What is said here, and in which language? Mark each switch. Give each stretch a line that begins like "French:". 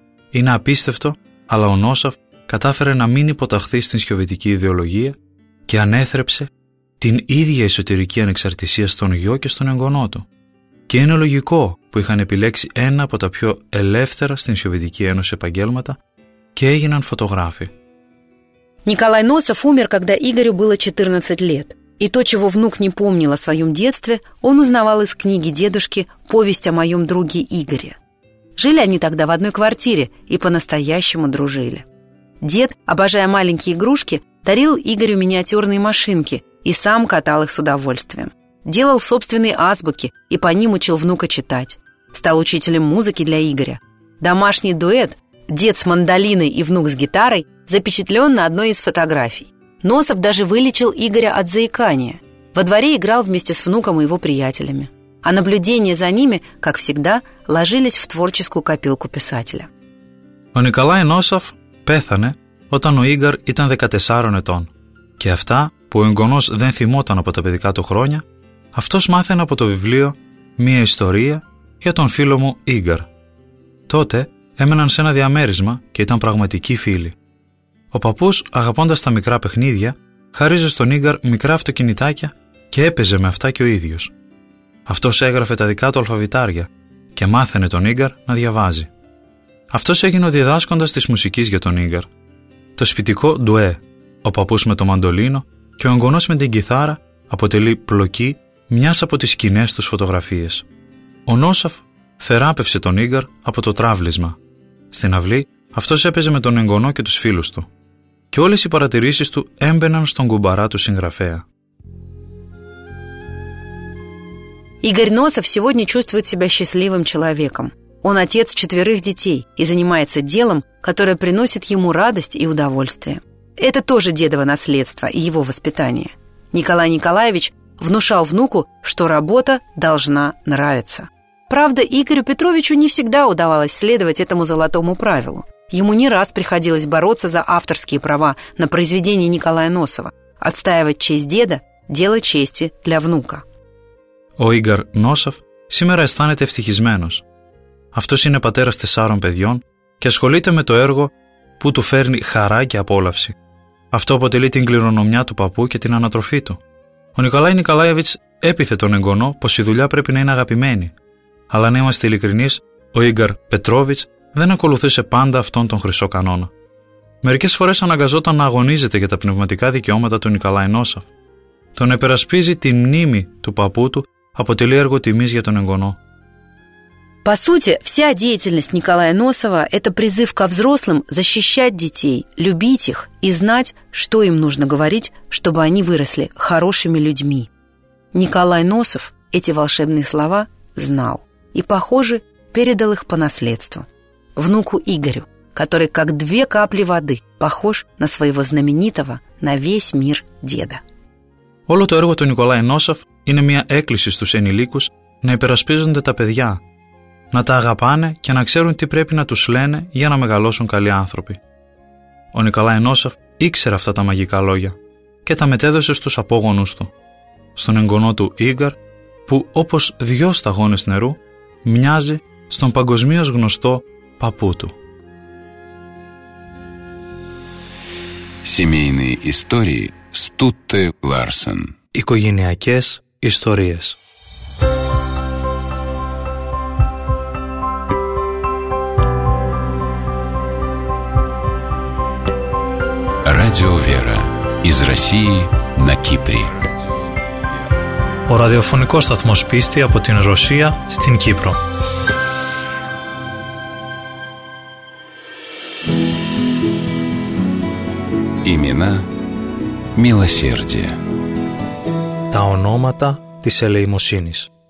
Greek: Είναι απίστευτο, αλλά ο Νόσαφ κατάφερε να μην υποταχθεί στην σιωβητική ιδεολογία και ανέθρεψε την ίδια εσωτερική ανεξαρτησία στον γιο και στον εγγονό του. Και είναι λογικό που είχαν επιλέξει ένα από τα πιο ελεύθερα στην Σοβιετική Ένωση επαγγέλματα και έγιναν φωτογράφοι.
Russian: Николай Носов умер, когда Игорю было 14 лет. И то, чего внук не помнил о своем детстве, он узнавал из книги дедушки «Повесть о моем друге Игоре». Жили они тогда в одной квартире и по-настоящему дружили. Дед, обожая маленькие игрушки, дарил Игорю миниатюрные машинки и сам катал их с удовольствием. делал собственные азбуки и по ним учил внука читать. Стал учителем музыки для Игоря. Домашний дуэт «Дед с мандолиной и внук с гитарой» запечатлен на одной из фотографий. Носов даже вылечил Игоря от заикания. Во дворе играл вместе с внуком и его приятелями. А наблюдения за ними, как всегда, ложились в творческую копилку писателя.
Greek: Ο Νικολάι Νόσοφ πέθανε όταν ο Ίγκαρ ήταν 14 ετών. Και αυτά που ο εγγονός δεν θυμόταν από τα παιδικά του χρόνια, αυτός μάθαινε από το βιβλίο «Μία ιστορία για τον φίλο μου Ίγκαρ». Τότε έμεναν σε ένα διαμέρισμα και ήταν πραγματικοί φίλοι. Ο παππούς, αγαπώντας τα μικρά παιχνίδια, χαρίζε στον Ίγκαρ μικρά αυτοκινητάκια και έπαιζε με αυτά και ο ίδιος. Αυτός έγραφε τα δικά του αλφαβητάρια και μάθαινε τον Ίγκαρ να διαβάζει. Αυτός έγινε ο διδάσκοντας της μουσικής για τον Ίγκαρ. Το σπιτικό ντουέ, ο παππούς με το μαντολίνο και ο εγγονός με την κιθάρα, αποτελεί πλοκή μιας από τις σκηνές τους φωτογραφίες. Ο Νόσοφ θεράπευσε τον Ίγκαρ από το τράβλισμα. Στην αυλή, αυτός έπαιζε με τον εγγονό και τους φίλους του. Και όλες οι παρατηρήσεις του έμπαιναν στον κουμπαρά του συγγραφέα.
Russian: Ίγκαρ Νόσοφ сегодня чувствует себя счастливым человеком. Он отец четверых детей и занимается делом, которое приносит ему радость и удовольствие. Это тоже дедово наследство и его воспитание. Николай Николаевич внушал внуку, что работа должна нравиться. Правда, Игорю Петровичу не всегда удавалось следовать этому золотому правилу. Ему не раз приходилось бороться за авторские права на произведения Николая Носова, отстаивать честь деда, дело чести для внука.
Greek: О Игор Носов сегодня станет ευτυχισμένος. Αυτός είναι πατέρας τεσσάρων παιδιών και ασχολείται με το έργο που του φέρνει χαρά και απόλαυση. Αυτό αποτελεί την κληρονομιά του παππού και την ανατροφή του. Ο Νικολάι Νικολάιεβιτς έπειθε τον εγγονό πως η δουλειά πρέπει να είναι αγαπημένη. Αλλά να είμαστε ειλικρινείς, ο Ίγκαρ Πετρόβιτς δεν ακολουθούσε πάντα αυτόν τον χρυσό κανόνα. Μερικές φορές αναγκαζόταν να αγωνίζεται για τα πνευματικά δικαιώματα του Νικολάι Νόσοφ. Το να υπερασπίζει τη μνήμη του παππού του αποτελεί έργο τιμής για τον εγγονό.
Russian: По сути, вся деятельность Николая Носова – это призыв ко взрослым защищать детей, любить их и знать, что им нужно говорить, чтобы они выросли хорошими людьми. Николай Носов эти волшебные слова знал и, похоже, передал их по наследству. Внуку Игорю, который как две капли воды похож на своего знаменитого на весь мир деда.
Greek: Όλο το έργο του Николая Носов είναι μια έκκληση στους ενηλίκους να υπερασπίζονται τα παιδιά, να τα αγαπάνε και να ξέρουν τι πρέπει να τους λένε για να μεγαλώσουν καλοί άνθρωποι. Ο Νικολάι Νόσοφ ήξερε αυτά τα μαγικά λόγια και τα μετέδωσε στους απόγονούς του, στον εγγονό του Ίγκαρ, που όπως δυο σταγόνες νερού, μοιάζει στον παγκοσμίως γνωστό παππού του.
Russian: Семейные истории Стутте Ларсен.
Greek: Οικογενειακές ιστορίες.
Russian: Радио Вера из России на Кипре.
Greek: О радиофонико сатмос писти από την Ρωσία στην Κύπρο.
Russian: Имена милосердия.
Greek: Τα ονόματα της ελεημοσύνης.